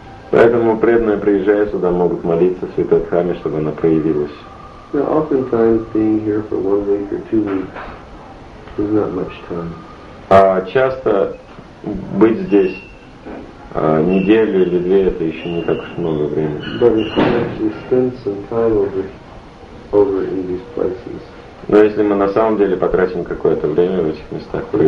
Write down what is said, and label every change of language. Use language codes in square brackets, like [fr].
[ru] Поэтому преданные, приезжая сюда, могут молиться в Святой Дхамме, чтобы она проявилась. [en] Now, oftentimes, being here for 1 week or 2 weeks is not much time. [ru] А часто быть здесь неделю или две, это еще не так уж много времени. [en] But if we actually spend some time over in these places. [ru] Но если мы на самом деле потратим какое-то время в этих местах,